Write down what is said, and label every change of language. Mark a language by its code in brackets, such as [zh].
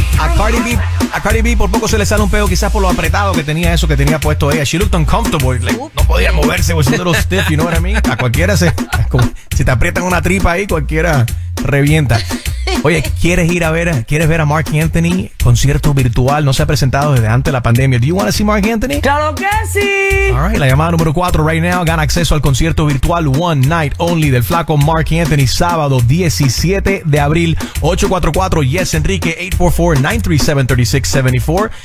[es] A Cardi B por poco se le sale un pedo, quizás por lo apretado que tenía eso que tenía puesto ella. [en] She looked uncomfortable. Like, [es] no podía moverse, [en] was a little stiff, you know what I mean? [es] A cualquiera se te aprietan una tripa ahí, cualquiera revienta. Oye, ¿quieres ver a Mark Anthony? Concierto virtual, no se ha presentado desde antes de la pandemia. [en] Do you want to see Mark Anthony? [es] ¡Claro que sí! [en] All right, [es] la llamada número 4 [en] right now. [es] Gana acceso al concierto virtual One Night Only del flaco Mark Anthony, sábado 17 de abril, 844-YES-ENRIQUE, 844-937-3674.